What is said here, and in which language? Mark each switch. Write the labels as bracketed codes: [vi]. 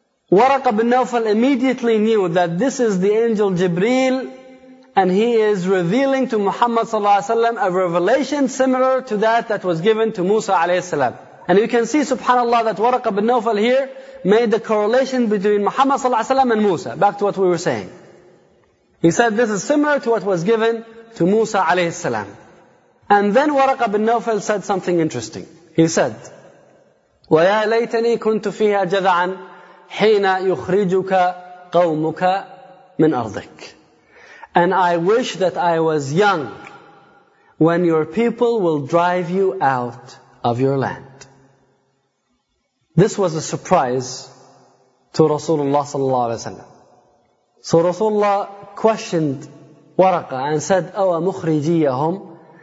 [en] Waraqa bin Nawfal immediately knew that this is the angel Jibreel, and he is revealing to Muhammad sallallahu alayhi wa sallam a revelation similar to that was given to Musa alayhi salam. And you can see, subhanAllah, that Waraqa bin Nawfal here made the correlation between Muhammad sallallahu alayhi wa sallam and Musa. Back to what we were saying. He said this is similar to what was given to Musa alayhi salam. And then Waraqa bin Nawfal said something interesting. He said, [ar] وَيَا لَيْتَنِي كُنْتُ فِيهَا جَذَعًا حِينَ يُخْرِجُكَ قَوْمُكَ مِنْ أَرْضِكَ. [en] And I wish that I was young when your people will drive you out of your land. This was a surprise to Rasulullah sallallahu alayhi wa sallam. So Rasulullah questioned Waraqa and said, [ar] أَوَ مُخْرِجِيَّهُمْ.